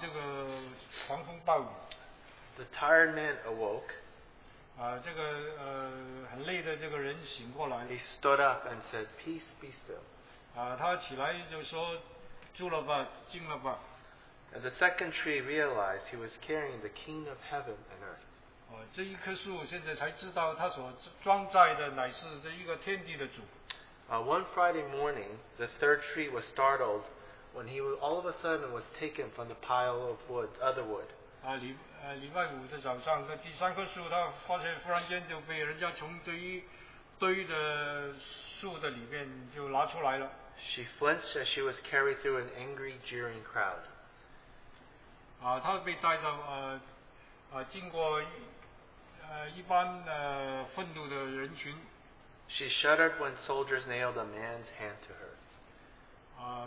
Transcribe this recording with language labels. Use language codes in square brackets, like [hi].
[zh] 这小船就很害怕，因为他怕他不能够载着这一些的人抵挡这个狂风暴雨。 [en] The tired man awoke. [zh] 这个很累的这个人醒过来。 [en] He stood up and said, "Peace, be still." [zh] 他起来就说，住了吧，静了吧。 [en] And the second tree realized he was carrying the King of Heaven and Earth. [zh] 这一棵树现在才知道，他所装载的乃是这一个天地的主。 [en] One Friday morning, the third tree was startled when he all of a sudden was taken from the pile of wood, other wood. [zh] 礼拜五的早上，那第三棵树，他发现忽然间就被人家从这一堆的树的里面就拿出来了。 [en] She flinched as she was carried through an angry, jeering crowd. [zh] 她被带到经过一般愤怒的人群。 [en] She shuddered when soldiers nailed a man's hand to her.